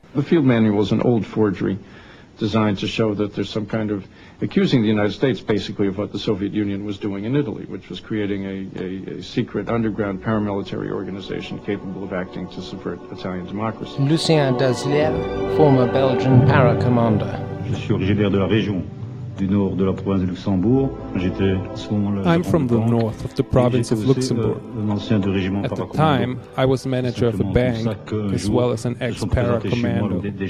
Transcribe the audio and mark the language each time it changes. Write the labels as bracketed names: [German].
[English] The field manual is an old forgery designed to show that there's some kind of accusing the United States basically of what the Soviet Union was doing in Italy, which was creating a secret underground paramilitary organization capable of acting to subvert Italian democracy. Lucien Dazlier, former Belgian paracommander. [French] Je suis originaire de la région du nord de la province de Luxembourg. [English] I'm from the north of the province of Luxembourg. At the time, I was manager of a bank as well as an ex-para commando.